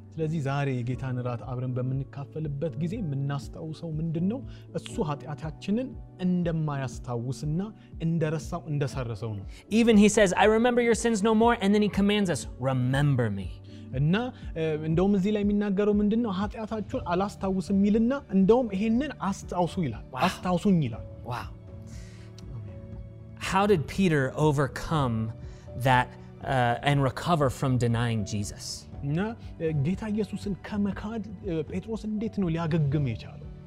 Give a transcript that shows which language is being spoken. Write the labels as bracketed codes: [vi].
[am] ስለዚህ ዛሬ ጌታን ራት አብረን በመንካፈልበት ጊዜ ምናስተውሰው ምንድነው እሱ ኃጢአታችንን እንደማያስታውስና እንደረሳው እንደሰረሰው ነው. [en] Even he says, I remember your sins no more, and then he commands us, remember me. [am] እና እንደውም እዚህ ላይ የሚናገረው ምንድነው ኃጢአታችሁን አላስታውስም ይልና እንደውም ይሄንን አስታውሱ ይላል አስታውሱኝ ይላል. [en] Wow. How did Peter overcome that and recover from denying Jesus? [am] እና ጌታ ኢየሱስን ከመካድ ጴጥሮስ እንዴት ነው ሊያገግም የቻለው?